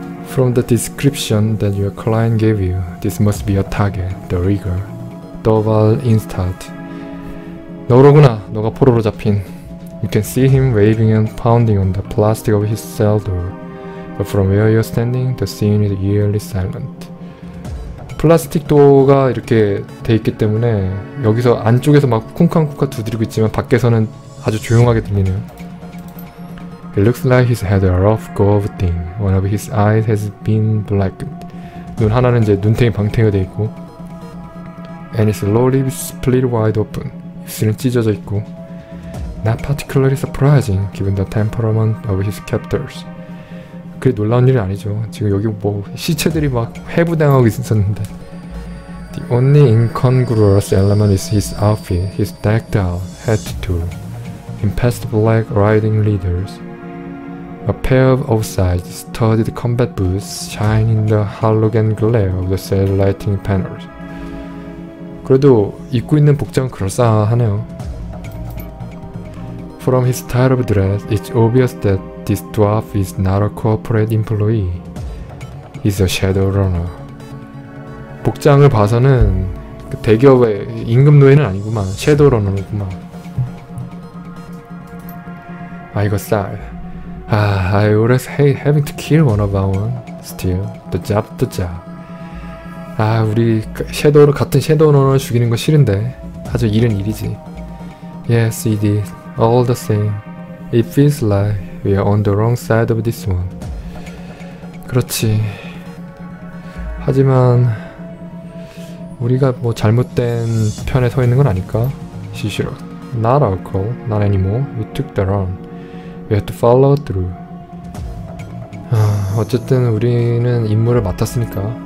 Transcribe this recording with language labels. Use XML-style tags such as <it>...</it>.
<en>From the description that your client gave you, this must be a target, the rigger. Doval Instat.</en> <ko>너로구나, 너가 포로로 잡힌.</ko> <en>You can see him waving and pounding on the plastic of his cell door. But from where you're standing, the scene is eerily silent.</en> <ko>플라스틱 도어가 이렇게 돼 있기 때문에 여기서 안쪽에서 막 쿵쾅쿵쾅 두드리고 있지만 밖에서는 아주 조용하게 들리네요.</ko> <en>It looks like he's had a rough go of things. One of his eyes has been blackened.</en> <ko>눈 하나는 이제 눈탱이 방탱이가 돼 있고.</ko> <en>And his lower lip is split wide open.</en> <ko>입술은 찢어져 있고.</ko> <en>Not particularly surprising given the temperament of his captors.</en> <ko>그게 놀라운 일이 아니죠. 지금 여기 뭐 시체들이 막 해부당하고 있었는데.</ko> <en>The only incongruous element is his outfit. He's decked out head to toe in pastel black riding leathers. A pair of oversized studded combat boots shine in the halogen glare of the cell lighting panels.</en> <ko>그래도 입고 있는 복장은 그럴싸하네요.</ko> <en>From his style of dress, it's obvious that this dwarf is not a corporate employee. He's a shadow runner.</en> <ko>복장을 봐서는 그 대기업의 임금 노예는 아니구만. 섀도우 러너구만.</ko> <en>I got sad. I always hate having to kill one of our own. Still, the job, the job.</en> <ko>아, 우리 섀도우 같은 섀도우 러너를 죽이는 거 싫은데. 하지만 일은 일이지.</ko> <en>Yes, it is. All the same. It feels like we are on the wrong side of this one.</en> <ko>그렇지. 하지만 우리가 뭐 잘못된 편에 서 있는 건 아닐까?</ko> <en>Shishiro. Not our call. Not anymore. We took the run. We had to follow through.</en> <ko>어쨌든 우리는 임무를 맡았으니까.</ko>